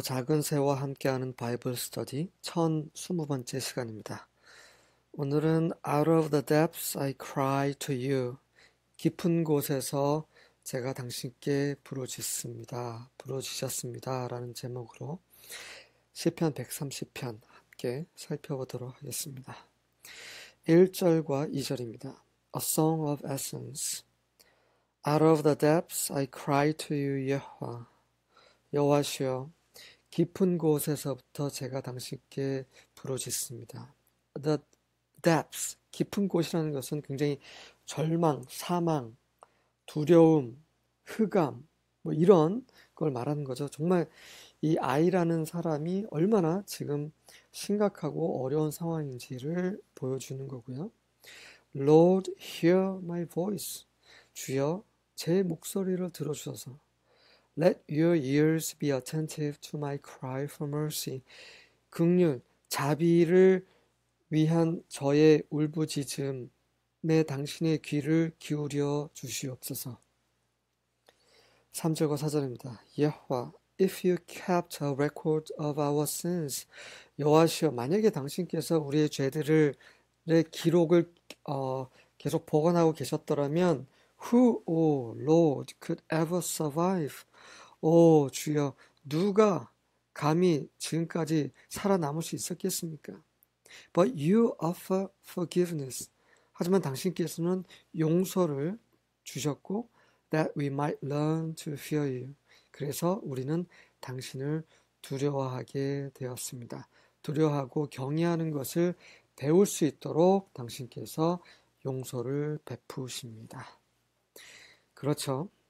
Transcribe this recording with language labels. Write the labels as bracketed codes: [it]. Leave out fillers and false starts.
[ko] 작은 새와 함께하는 바이블 스터디 1020번째 시간입니다. 오늘은 [en] Out of the depths I cry to you. [ko] 깊은 곳에서 제가 당신께 부르짖습니다. 부르짖었습니다라는 제목으로 시편 130편 함께 살펴보도록 하겠습니다. 1절과 2절입니다. [en] A song of essence. Out of the depths I cry to you, 여호와. [ko] 여호와시여, 깊은 곳에서부터 제가 당신께 부르짖습니다. The depths, 깊은 곳이라는 것은 굉장히 절망, 사망, 두려움, 흑암, 뭐 이런 걸 말하는 거죠. 정말 이 아이라는 사람이 얼마나 지금 심각하고 어려운 상황인지를 보여주는 거고요. [en] Lord, hear my voice. [ko] 주여, 제 목소리를 들어주셔서. [en] Let your ears be attentive to my cry for mercy. [ko] 긍휼, 자비를 위한 저의 울부짖음에 당신의 귀를 기울여 주시옵소서. 3절과 4절입니다. [en] 여호와, if you kept a record of our sins, [ko] 여호와시여, 만약에 당신께서 우리의 죄들을 내 기록을 계속 보관하고 계셨더라면, [en] who, oh Lord, could ever survive? [ko] 오, 주여, 누가 감히 지금까지 살아남을 수 있었겠습니까? [en] But you offer forgiveness. [ko] 하지만 당신께서는 용서를 주셨고, [en] that we might learn to fear you. [ko] 그래서 우리는 당신을 두려워하게 되었습니다. 두려워하고 경외하는 것을 배울 수 있도록 당신께서 용서를 베푸십니다. 그렇죠?